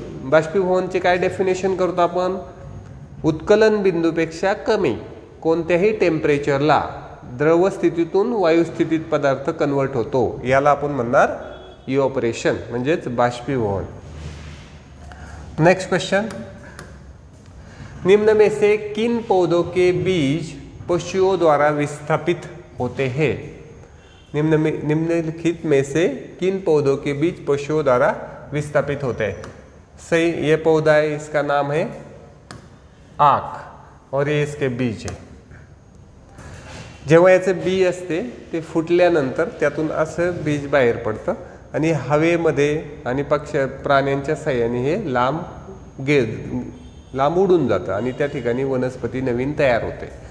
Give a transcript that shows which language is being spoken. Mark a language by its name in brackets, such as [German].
[Marathi] बाष्पीभवनचे काय डेफिनेशन करतो आपण, उत्कलन बिंदूपेक्षा कमी कोणत्याही टेम्परेचरला द्रवस्थितीतून वायुस्थितीत पदार्थ कन्वर्ट होतो याला आपण म्हणणार इव्हपोरेशन म्हणजेच बाष्पीभवन. [Hindi] नेक्स्ट क्वेश्चन, निम्न में से किन पौधों के बीज पशुओं द्वारा विस्थापित होते हैं. निम्नलिखित में से किन पौधों के बीज पशुओं द्वारा विस्थापित होते हैं. सही, ये पौधा है इसका नाम है आक और ये इसके बीज है. [Marathi] जेव्हा याचे बीज असते ते फुटल्यानंतर त्यातून असं बीज बाहेर पडतं आणि हवेमध्ये आणि पक्षी प्राण्यांच्या सहाय्याने हे लांब गेज लांब उडून जातं आणि त्या ठिकाणी वनस्पती नवीन तयार होते.